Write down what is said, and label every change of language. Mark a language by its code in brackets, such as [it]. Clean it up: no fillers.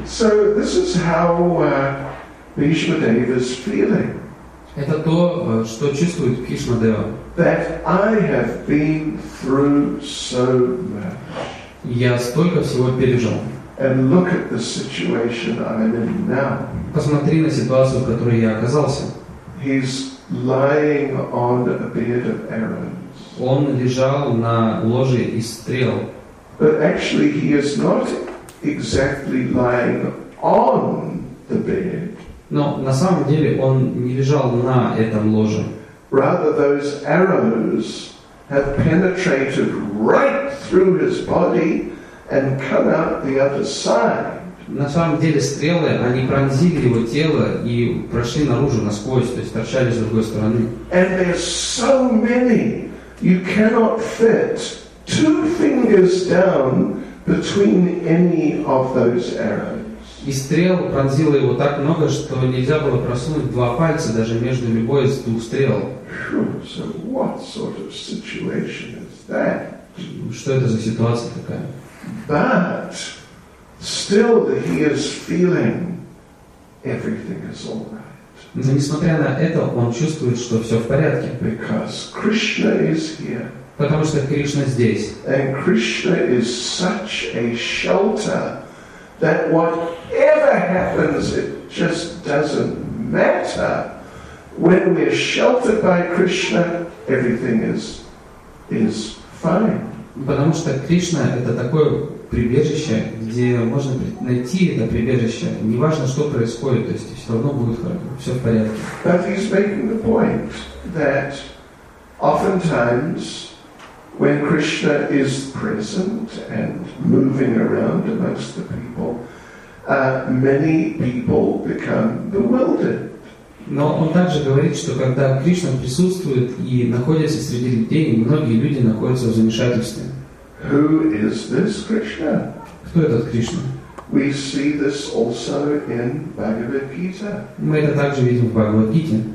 [en] So this is how Bhishma Dev is feeling. [ru] Это то, что чувствует Бхишма Дева. [en] That I have been through so much. [ru] Я столько всего пережил. [en] And look at the situation I'm in now. [ru] Посмотри на ситуацию, в которой я оказался. [en] He's lying on a bed of arrows. [ru] Он лежал на ложе из стрел. [en] But actually he is not exactly lying on the bed. [ru] Но на самом деле он не лежал на этом ложе. [en] Rather, those arrows have penetrated right through his body and come out the other side. [ru] На самом деле стрелы, они пронзили его тело и прошли наружу, насквозь, то есть торчали с другой стороны. [en] And there's so many, you cannot fit two fingers down between any of those arrows. [ru] И стрел пронзило его так много, что нельзя было просунуть два пальца даже между любой из двух стрел. [en] So what sort of situation is that? [ru] Что это за ситуация такая? [en] But still he is feeling everything is all right. [ru] Но несмотря на это, он чувствует, что все в порядке. [en] Because Krishna is here. [ru] Потому что Кришна здесь. [en] And Krishna is such a shelter that whatever happens, it just doesn't matter. When we're sheltered by Krishna, everything is fine. [ru] Потому что Кришна — это такое прибежище, где можно найти это прибежище. Неважно, что происходит, то есть все равно будет хорошо, все в порядке. [en] But he's making the point that oftentimes when Krishna is present and moving around amongst the people, many people become bewildered. [ru] Но он также говорит, что когда Кришна присутствует и находится среди людей, многие люди находятся в замешательстве. [en] Who is this Krishna? [ru] Кто этот Кришна? [en] We see this also in Bhagavad Gita. [ru] Мы это также видим в Бхагавад Гите.